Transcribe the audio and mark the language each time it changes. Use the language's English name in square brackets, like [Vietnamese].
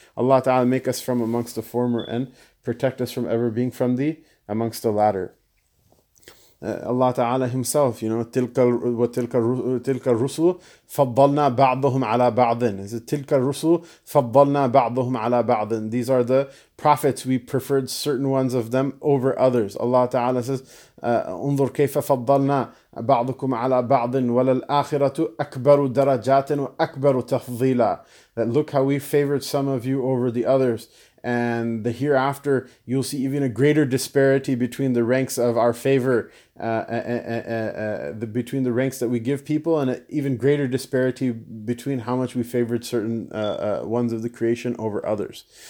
[English] Allah Ta'ala make us from amongst the former and protect us from ever being from the amongst the latter. Allah Ta'ala Himself, you know, [Arabic] tilka rusul faddalna ba'dhum ala ba'din. [English] Is it [Arabic] tilka rusul faddalna ba'dhum ala ba'din? [English] These are the prophets, we preferred certain ones of them over others. Allah Ta'ala says, [Arabic] انظر كيف فضلنا بعضكم على بعض وللآخرة أكبر درجات وأكبر تفضيلا. [English] That look how we favored some of you over the others. And the hereafter, you'll see even a greater disparity between the ranks of our favor, between the ranks that we give people, and an even greater disparity between how much we favored certain ones of the creation over others.